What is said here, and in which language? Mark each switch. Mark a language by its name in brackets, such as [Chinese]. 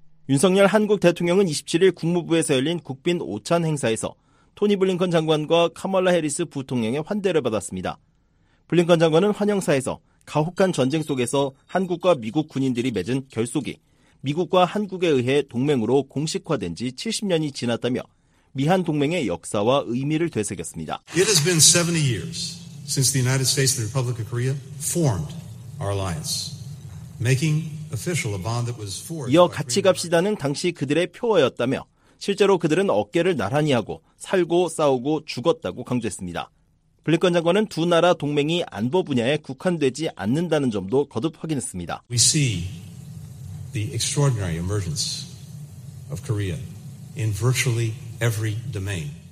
[Korean] 윤석열 한국 대통령은 27일 국무부에서 열린 국빈 오찬 행사에서 토니 블링컨 장관과 카멀라 해리스 부통령의 환대를 받았습니다. 블링컨 장관은 환영사에서 가혹한 전쟁 속에서 한국과 미국 군인들이 맺은 결속이 미국과 한국에 의해 동맹으로 공식화된 지 70년이 지났다며 미한 동맹의 역사와 의미를 되새겼습니다. [English] It has been 70 years since the United States and the Republic of Korea formed our alliance, making official a bond that was forged. [Korean] 이어 같이 갑시다는 당시 그들의 표어였다며 실제로 그들은 어깨를 나란히 하고 살고 싸우고 죽었다고 강조했습니다. 블링컨 장관은 두 나라 동맹이 안보 분야에 국한되지 않는다는 점도 거듭 확인했습니다. [English] We see the extraordinary emergence of Korea in virtually every domain.